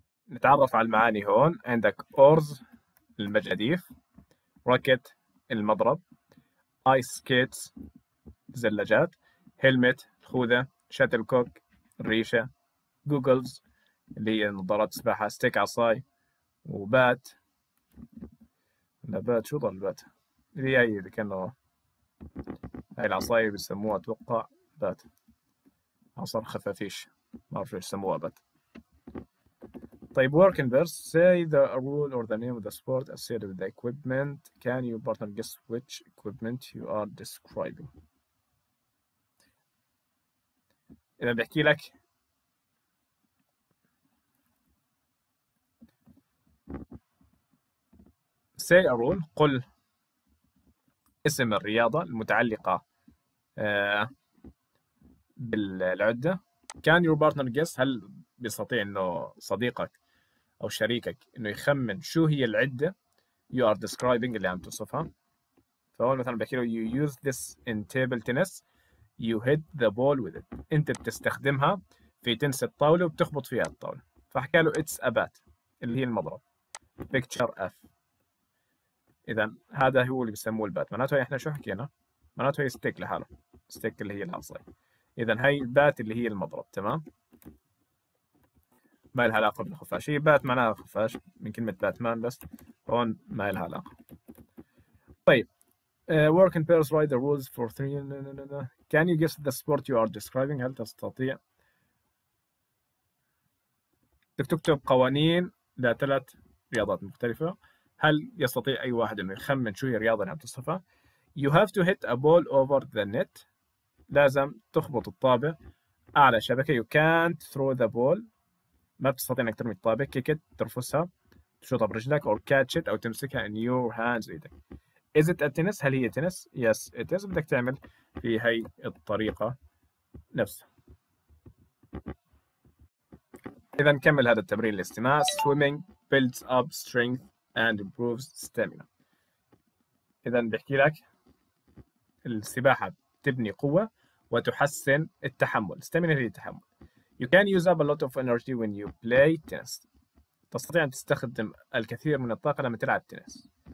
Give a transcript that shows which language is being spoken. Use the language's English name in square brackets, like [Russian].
[Arabic] نتعرف على المعاني هون. عندك أورز المجاديف, راكت المضرب, آيس سكيتس زلاجات, هيلمت الخوذة, شاتل كوك الريشة, جوجلز اللي هي نظارات سباحة, ستيك عصاي, وبات نبات, شو ضل بات اللي هي اللي كانوا هاي العصاية بيسموها توقع بات عصر خفافيش, ما أعرف ليش سموها بات. [English] طيب work in verse, say the rule or the name of the sport associated with the equipment, can you partner guess which equipment you are describing. [Arabic] إذا بحكي لك [English] say a rule, [Arabic] قل اسم الرياضة المتعلقة بالعدة. [English] can your partner guess, [Arabic] هل بيستطيع انه صديقك او شريكك انه يخمن شو هي العدة [English] you are describing [Arabic] اللي عم توصفها. فهون مثلا بحكي له [English] you use this in table tennis, you hit the ball with it, [Arabic] انت بتستخدمها في تنس الطاولة وبتخبط فيها الطاولة. فحكى له [English] it's a bat [Arabic] اللي هي المضرب. [English] picture F, [Arabic] إذا هذا هو اللي بيسموه البات. معناته إحنا شو حكينا؟ معناته هي ستيك لحاله, ستيك اللي هي العصاية. إذا هاي البات اللي هي المضرب, تمام؟ ما لها علاقة بالخفاش. هي بات معناها خفاش من كلمة باتمان, بس هون ما لها علاقة. [English] طيب work in pairs, write the rules for three. Can you guess the sport you are describing, [Arabic] هل تستطيع تكتب قوانين لثلاث رياضات مختلفة؟ هل يستطيع أي واحد أن يخمن شو هي الرياضة اللي عم تصفها؟ [English] You have to hit a ball over the net, [Arabic] لازم تخبط الطابة أعلى شبكة. [English] You can't throw the ball, ما بتستطيع أنك ترمي الطابة. Kick it, [Arabic] ترفسها, تشوطها برجلك. [English] Or catch it, [Arabic] أو تمسكها [English] in your hands, [Arabic] إيدك. [English] Is it a tennis, [Arabic] هل هي تنس؟ [English] Yes, it is, [Arabic] بدك تعمل في هاي الطريقة نفسها. إذا نكمل هذا التمرين الاستماع. [English] Swimming builds up strength and improves stamina. [Arabic] إذا بحكي لك السباحة تبني قوة وتحسن التحمل. stamina هي التحمل. [English] You can use up a lot of energy when you play tennis. [Arabic] تستطيع أن تستخدم الكثير من الطاقة لما تلعب تنس.